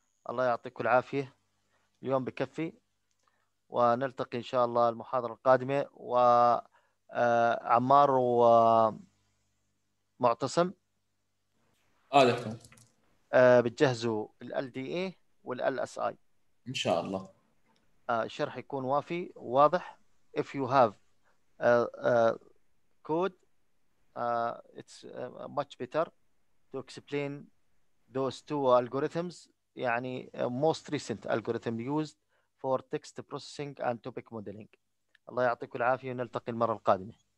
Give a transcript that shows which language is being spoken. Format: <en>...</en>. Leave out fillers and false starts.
<ar>الله يعطيك العافية اليوم بكفي ونلتقي إن شاء الله المحاضرة القادمة وعمار ومعتصم بتجهزوا الـ LDA والـ LSI إن شاء الله الشرح يكون وافي واضح</ar> <en>if you have code it's much better to explain those two algorithms</en> <ar>يعني</ar> <en>most recent algorithm used for text processing and topic modeling.</en> <ar>الله يعطيك العافية ونلتقي المرة القادمة.</ar>